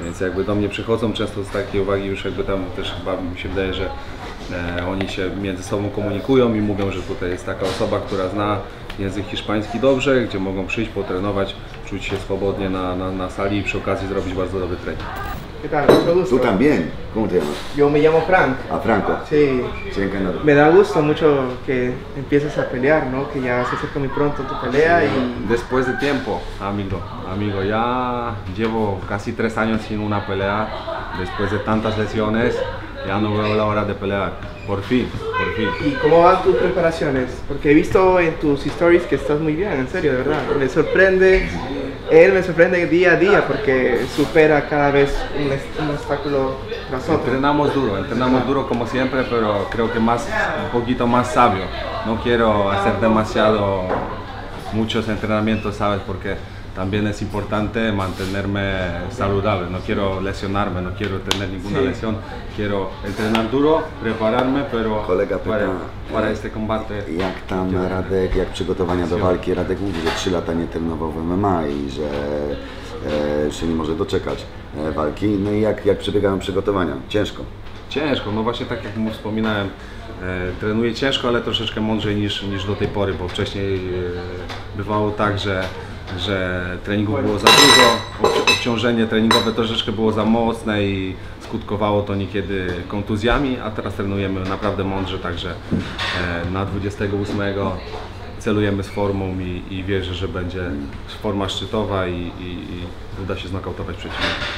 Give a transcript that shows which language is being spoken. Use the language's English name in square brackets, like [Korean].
[Polish] Więc jakby do mnie przychodzą często z takiej uwagi, już jakby tam też chyba mi się wydaje, że oni się między sobą komunikują i mówią, że tutaj jest taka osoba, która zna język hiszpański dobrze, gdzie mogą przyjść, potrenować, czuć się swobodnie na sali i przy okazji zrobić bardzo dobry trening. [Spanish] Tu también, ¿cómo te llamas? Yo me llamo Frank. Ah, Franco. Sí. Sí, encantado. Me da gusto mucho que empieces a pelear, ¿no? Que ya se acerca muy pronto tu pelea sí. Y... Después de tiempo, amigo, ya llevo casi 3 años sin una pelea. Después de tantas lesiones, ya no veo la hora de pelear. Por fin. ¿Y cómo van tus preparaciones? Porque he visto en tus stories que estás muy bien, en serio, de verdad. Me sorprende. Él me sorprende día a día porque supera cada vez un obstáculo tras otro. Entrenamos duro como siempre, pero creo que más, un poquito más sabio. No quiero hacer demasiado muchos entrenamientos, ¿sabes? Porque también es importante mantenerme saludable. No quiero lesionarme, no quiero tener ninguna lesión. Quiero entrenar duro, prepararme, pero [Polish] kolega pyta, [Spanish] para este combate. [Polish] Jak tam Radek, jak przygotowania do walki? Radek mówi, że 3 lata nie trenował w MMA i że się nie może doczekać walki. No i jak przebiegają przygotowania? Ciężko. Ciężko, no właśnie tak jak mu wspominałem, trenuję ciężko, ale troszeczkę mądrzej niż do tej pory, bo wcześniej bywało tak, że treningów było za dużo, obciążenie treningowe troszeczkę było za mocne i skutkowało to niekiedy kontuzjami, a teraz trenujemy naprawdę mądrze, także na 28 celujemy z formą i wierzę, że będzie forma szczytowa i uda się znokautować przeciwnika.